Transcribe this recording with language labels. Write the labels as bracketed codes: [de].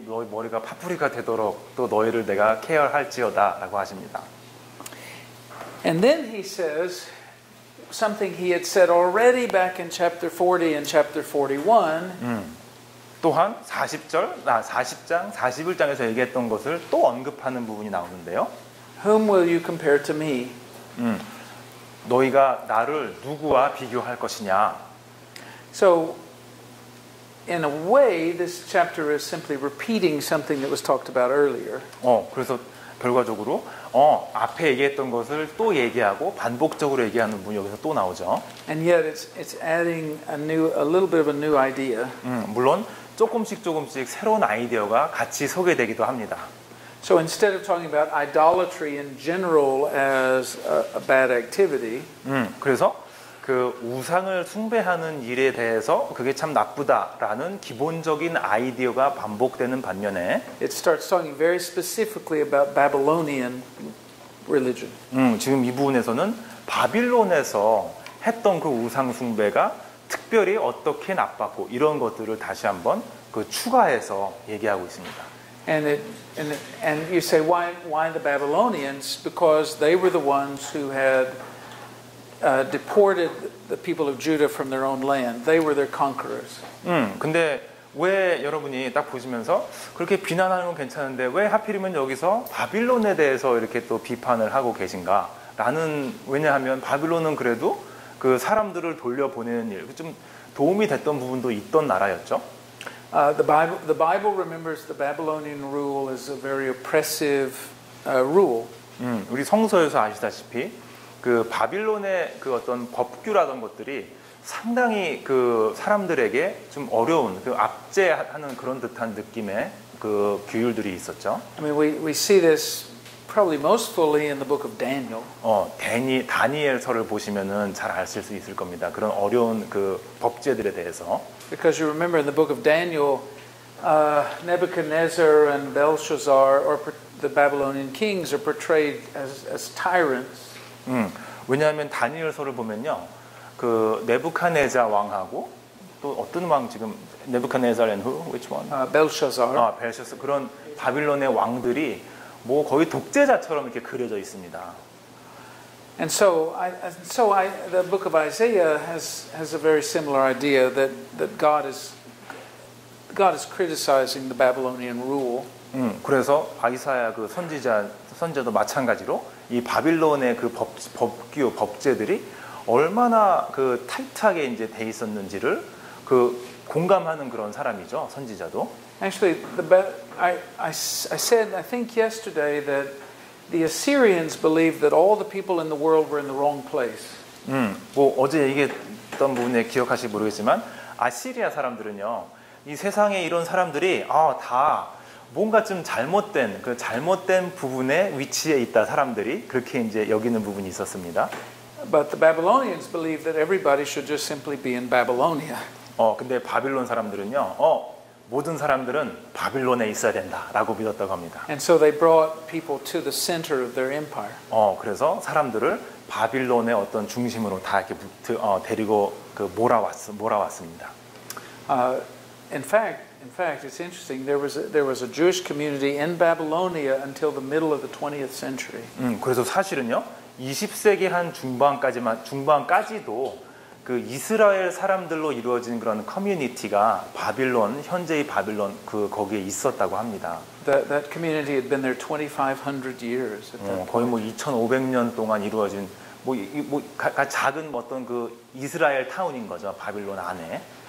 [ko] 머리가 파프리카 되도록 또 너희를 내가 케어할지어다라고 하십니다. [en] And then he says something he had said already back in chapter 40 and chapter 41. [ko] 또한 40장 41장에서 얘기했던 것을 또 언급하는 부분이 나오는데요. [en] Whom will you compare to me? [ko] 너희가 나를 누구와 비교할 것이냐? [en] So in a way this chapter is simply repeating something that was talked about earlier. [ko] 그래서 결과적으로 앞에 얘기했던 것을 또 얘기하고 반복적으로 얘기하는 부분이 여기서 또 나오죠. [en] And yet it's adding a little bit of a new idea. [ko] 물론 조금씩 새로운 아이디어가 같이 소개되기도 합니다. [en] So instead of talking about idolatry in general as a bad activity. [ko] 그래서 그 우상을 숭배하는 일에 대해서 그게 참 나쁘다라는 기본적인 아이디어가 반복되는 반면에 [en] It starts talking very specifically about Babylonian religion. [ko] 지금 이 부분에서는 바빌론에서 했던 그 우상 숭배가 특별히 어떻게 나빴고 이런 것들을 다시 한번 그 추가해서 얘기하고 있습니다. [en] And you say why the Babylonians? Because they were the ones who had deported the people of Judah from their own land. They were their conquerors. [ko] 근데 왜 여러분이 딱 보시면서 그렇게 비난하는 건 괜찮은데 왜 하필이면 여기서 바빌론에 대해서 이렇게 또 비판을 하고 계신가? 라는 왜냐하면 바빌론은 그래도 그 사람들을 돌려보내는 일, 좀 도움이 됐던 부분도 있던 나라였죠. [en] The Bible remembers the Babylonian rule as a very oppressive rule. [ko] 우리 성서에서 아시다시피 그 바빌론의 그 어떤 법규라던 것들이 상당히 그 사람들에게 좀 어려운 그 압제하는 그런 듯한 느낌의 그 규율들이 있었죠. [en] I mean, we see this probably most fully in the book of Daniel. [ko] 다니엘서를 보시면은 잘 아실 수 있을 겁니다. 그런 어려운 그 법제들에 대해서. [en] Because you remember in the book of Daniel, Nebuchadnezzar and Belshazzar, or the Babylonian kings, are portrayed as tyrants. [ko] 왜냐하면 다니엘서를 보면요, 그 네부카네자 왕하고 또 어떤 왕 지금 네부카네자 [en] and who? Which one? Belshazzar. [ko] 벨샤스 그런 바빌론의 왕들이 뭐 거의 독재자처럼 이렇게 그려져 있습니다. [en] And so, the book of Isaiah has a very similar idea that God is criticizing the Babylonian rule. [ko] 그래서 아이사야 그 선지자도 마찬가지로 이 바빌론의 그 법규 법제들이 얼마나 그 타이트하게 이제 돼 있었는지를 그 공감하는 그런 사람이죠 선지자도. [en] Actually, I said I think yesterday that the Assyrians believed that all the people in the world were in the wrong place. [ko] 뭐 어제 얘기했던 부분에 기억하실지 모르겠지만 아시리아 사람들은요 이 세상에 이런 사람들이 다 뭔가 좀 잘못된 그 잘못된 부분의 위치에 있다 사람들이 그렇게 이제 여기는 부분이 있었습니다. [en] But the Babylonians believed that everybody should just simply be in Babylonia. [ko] 근데 바빌론 사람들은요. 모든 사람들은 바빌론에 있어야 된다라고 믿었다고 합니다. [en] And so they brought people to the center of their empire. [ko] 그래서 사람들을 바빌론의 어떤 중심으로 다 이렇게 데리고 그 몰아왔습니다. [en] In fact, it's interesting. There was a Jewish community in Babylonia until the middle of the 20th century. [ko] 그래서 사실은요, 20세기 한 중반까지도 그 이스라엘 사람들로 이루어진 그런 커뮤니티가 바빌론 현재의 바빌론 그 거기에 있었다고 합니다. [en] That community had been there 2,500 years. [ko] 거의 뭐 2,500년 동안 이루어진 뭐 작은 어떤 그 이스라엘 타운인 거죠 바빌론 안에.